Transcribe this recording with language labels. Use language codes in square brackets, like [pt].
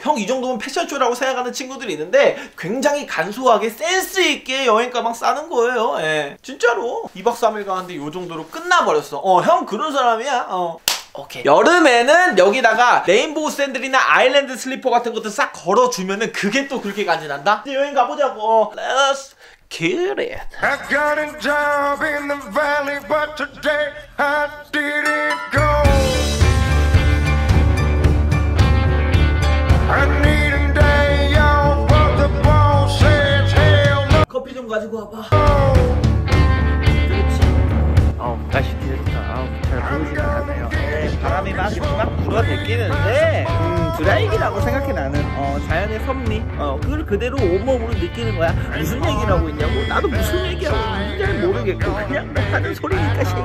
[ko] 형 이 정도면 패션쇼라고 생각하는 친구들이 있는데 굉장히 간소하게 센스있게 여행가방 싸는 거예요. 예. 진짜로 2박 3일 가는데 요 정도로 끝나버렸어. 형 그런 사람이야. 오케이. 여름에는 여기다가 레인보우 샌들이나 아일랜드 슬리퍼 같은 것도 싹 걸어주면은 그게 또 그렇게 간지난다. 여행 가보자고. [en] Let's get it. I got a job in the valley but today I didn't go. I need a day off, but the boss says hell no. [ko] 커피 좀 가지고 와봐. 날씨 뒤에서 잘 보이진 않네요. 바람이 막 이만 불어 댕기는데 드라이기라고 생각해 나는. 자연의 섭리. 그걸 그대로 온몸으로 느끼는 거야. 무슨 얘기를 하고 있냐고. 나도 무슨 얘기하고 있는지 잘 모르겠고 그냥 뭐 하는 소리니까 새끼야.